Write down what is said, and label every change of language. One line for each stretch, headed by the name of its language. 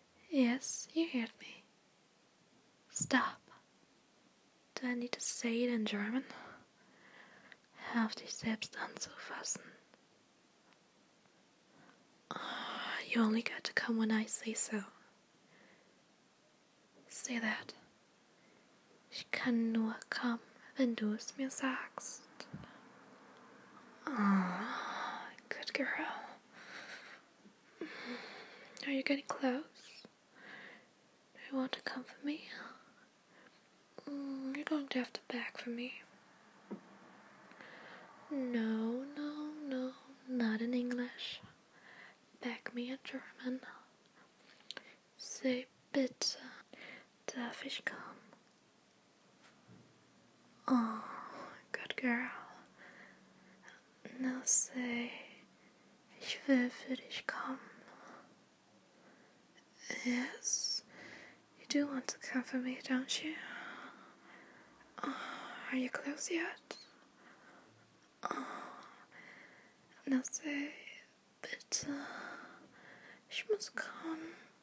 English: Yes, you heard me. Stop. Do I need to say it in German? Have these steps done so fast? You only got to come when I say so. Say that.
German: Ich kann nur kommen, wenn du es mir sagst.
English: Oh, good girl. Are you getting close? Do you want to come for me? You're going to have to beg for me. No, no, no. Not in English. Beg me in German. Say bitte.
German: Darf ich kommen?
English: Oh, good girl. Now say,
German: ich will für dich kommen.
English: Yes, you do want to come for me, don't you? Oh, are you close yet? Oh, now say,
German: bitte, ich muss kommen.